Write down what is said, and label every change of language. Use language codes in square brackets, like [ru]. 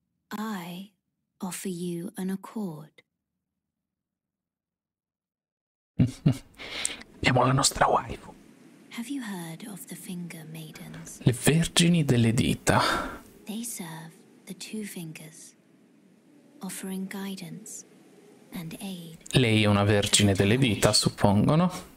[en] I offer you an accord. [it] Abbiamo la nostra waifu. [en] Have you heard of the finger maidens? [it] Le vergini delle dita. [en] They serve the two fingers, offering guidance and aid. [it] Lei è una vergine delle dita, suppongono.